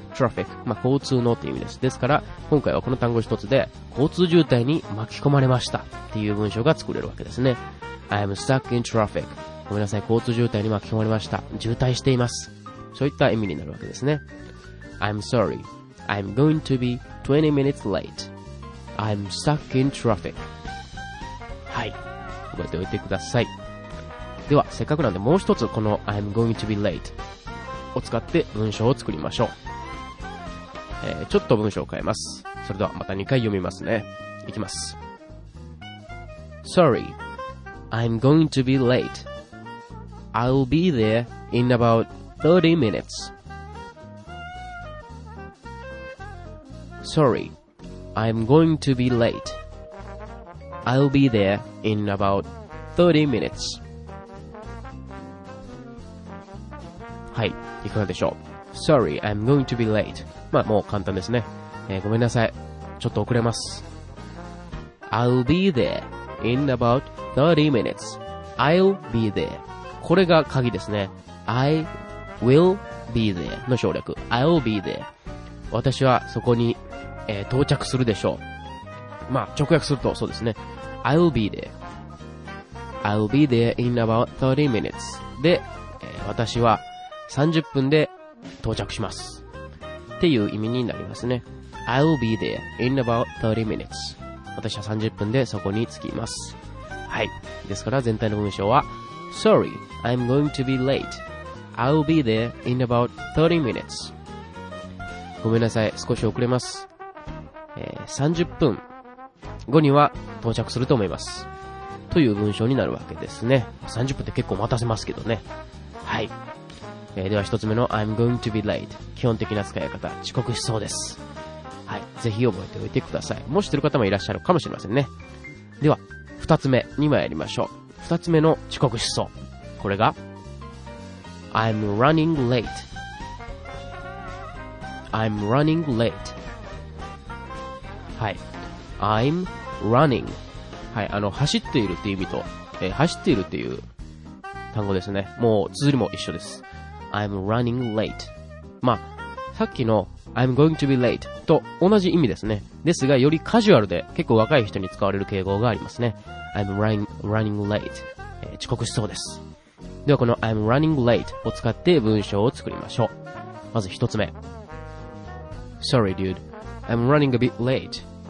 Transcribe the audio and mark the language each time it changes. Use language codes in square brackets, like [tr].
[ja] トラフィック、まあ、交通のっていう意味です。ですから、今回はこの単語一つで、交通渋滞に巻き込まれましたっていう文章が作れるわけですね。 [en] I am stuck in traffic. [ja] ごめんなさい、交通渋滞に巻き込まれました。渋滞しています。そういった意味になるわけですね。 [en] I'm sorry. I'm going to be 20 minutes late. I'm stuck in traffic. [ja] はい、覚えておいてください。ではせっかくなんでもう一つこの [en] I'm going to be late [ja] を使って文章を作りましょう。ちょっと文章を変えます。それではまた2回読みますね。いきます。 [en] Sorry, I'm going to be late. I'll be there in about 30 minutes. SorryI'm going to be late. I'll be there in about 30 minutes. [ja] はい、いかがでしょう。 [en] Sorry, I'm going to be late. [ja] まあ、もう簡単ですね。ごめんなさい、ちょっと遅れます。 [en] I'll be there in about 30 minutes. I'll be there. [ja] これが鍵ですね。 [en] I will be there の省略。 I'll be there. [ja] 私はそこに到着するでしょう。まあ、直訳するとそうですね。 [en] I'll be there. I'll be there in about 30 minutes. [ja] で、私は30分で到着します。っていう意味になりますね。 [en] I'll be there in about 30 minutes. [ja] 私は30分でそこに着きます。はい。ですから全体の文章は、 [en] Sorry, I'm going to be late. I'll be there in about 30 minutes. [ja] ごめんなさい、少し遅れます。30分後には到着すると思いますという文章になるわけですね。 30分って結構待たせますけどね。はい、では一つ目の [en] I'm going to be late、 [ja] 基本的な使い方、遅刻しそうです。はい、ぜひ覚えておいてください。もし知ってる方もいらっしゃるかもしれませんね。では二つ目に参りましょう。二つ目の遅刻しそう、これが [en] I'm running late。 [ja] I'm running late。はい、I'm running。はい、走っているっていう意味と、走っているっていう単語ですね。もう綴りも一緒です。I'm running late。まあ、さっきの [en] I'm going to be late [ja] と同じ意味ですね。ですがよりカジュアルで結構若い人に使われる傾向がありますね。 [en] I'm running late、 [ja] 遅刻しそうです。ではこの I'm running late を使って文章を作りましょう。 [en] まず一つ目、 Sorry dudeI'm running a bit late.